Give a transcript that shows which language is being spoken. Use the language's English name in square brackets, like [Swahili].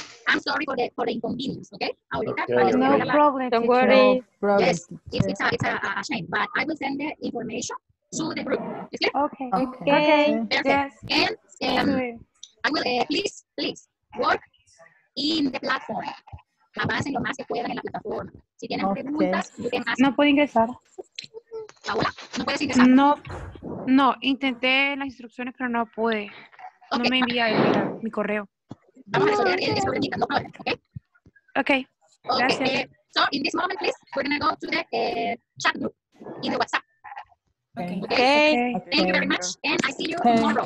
[English] I'm sorry for the inconvenience, okay? Okay. No problem, don't worry. Yes, it's a shame, but I will send the information to the group. Is clear? Okay. Okay. Perfect. Yes. And I will, please work in the platform. [Spanish] Avancen lo más que puedan en la plataforma. Si tienen preguntas, okay. No puedo ingresar. ¿Paola? ¿No puedes ingresar? No, intenté las instrucciones, pero no pude. Okay. No me envía mi correo. Vamos a resolver el problemita, [English] no problem, [Spanish] ¿ok? Ok, gracias. [English] So, in this moment, please, we're going to go to the chat group in the WhatsApp. Okay. Thank you very much, and I see you tomorrow.